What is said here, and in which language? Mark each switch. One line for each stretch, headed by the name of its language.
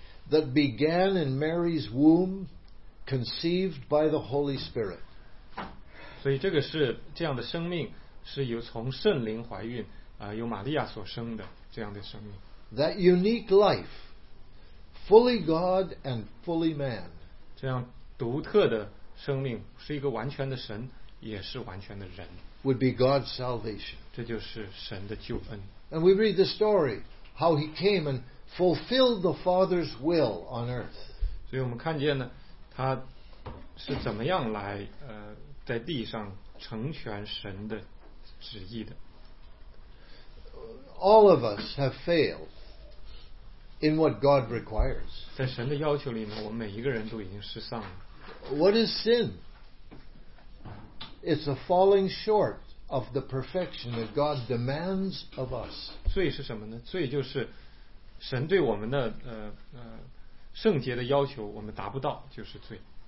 English: That began in Mary's womb, conceived by the Holy Spirit.
Chinese: 所以这个是这样的生命，是由从圣灵怀孕啊，由玛利亚所生的这样的生命。
English: That unique life, fully God and fully man.
Chinese: 这样独特的。生命是一个完全的神，也是完全的人。
English: Would be God's salvation.
Chinese: 这就是神的救恩。
English: And we read the story how he came and fulfilled the Father's will on earth.
Chinese: 所以我们看见呢，他是怎么样来在地上成全神的旨意的。
English: All of us have failed in what God requires.
Chinese: 在神的要求里面，我们每一个人都已经失丧了。
English: What is sin? It's a falling short of the perfection that God demands of us.
Chinese: 罪是什么呢？罪就是神对我们的圣洁的要求，我们达不到，就是罪。